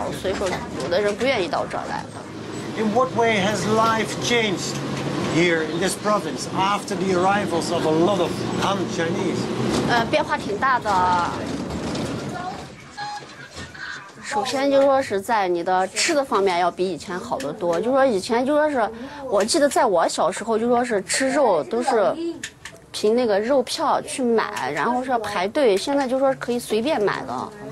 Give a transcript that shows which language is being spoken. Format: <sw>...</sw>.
<zh>就说是因为我们这和温奇不太一样，他们温奇的我不太清楚，像我们是都有，因为就说是我们有野外补贴、边疆津贴什么乱七八糟的，跟他们温奇的不一样的。嗯，有的人就觉得好像新疆在我们眼里，就说是外地人给我们的感觉是觉得新疆比较落后，不愿意到这儿来，觉得而且再加上这儿的地理环境也没有口里的好，所以说有的人不愿意到这儿来。</zh> <en>In what way has life changed here in this province after the arrivals of a lot of Han Chinese?</en> <zh>变化挺大的。首先就说是在你的吃的方面要比以前好得多。就说以前就说是，我记得在我小时候就说是吃肉都是凭那个肉票去买，然后是要排队。现在就说可以随便买的。</zh>